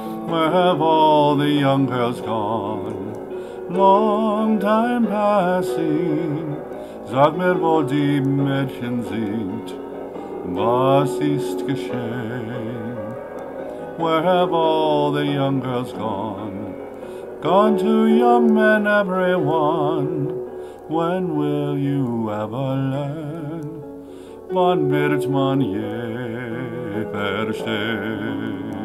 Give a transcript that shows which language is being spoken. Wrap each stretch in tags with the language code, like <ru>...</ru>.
<en>Where have all the young girls gone? Long time passing,</en> <de>sag mir, wo die Mädchen sind, was ist geschehen?</de> <en>Where have all the young girls gone? Gone to young men, everyone. When will you ever learn?</en> <de>Wann wird man je verstehen?</de>